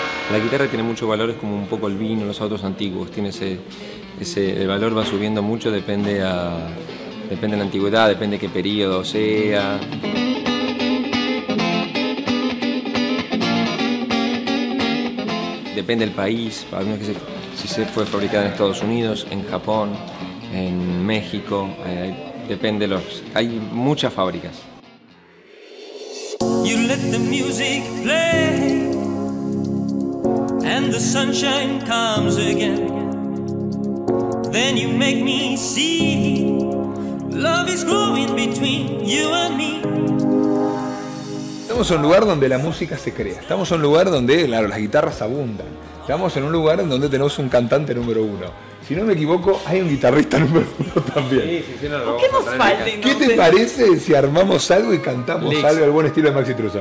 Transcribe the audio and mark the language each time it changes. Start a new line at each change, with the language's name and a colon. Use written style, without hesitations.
Spanish: La guitarra tiene mucho valor, es como un poco el vino, los autos antiguos, tiene ese el valor va subiendo mucho, depende de la antigüedad, depende de qué periodo sea. Depende del país, si se fue fabricada en Estados Unidos, en Japón, en México, depende de los. Hay muchas fábricas.
English: You let the music play and the sunshine comes again. Then you make me see love is growing between you and me.
Spanish: Estamos en un lugar donde la música se crea. Estamos en un lugar donde, claro, las guitarras abundan. Estamos en un lugar en donde tenemos un cantante número uno. Si no me equivoco, hay un guitarrista número uno también. Sí, no lo ¿qué nos falta? ¿Qué te parece si armamos algo y cantamos Lick algo al buen estilo de Maxi Truso?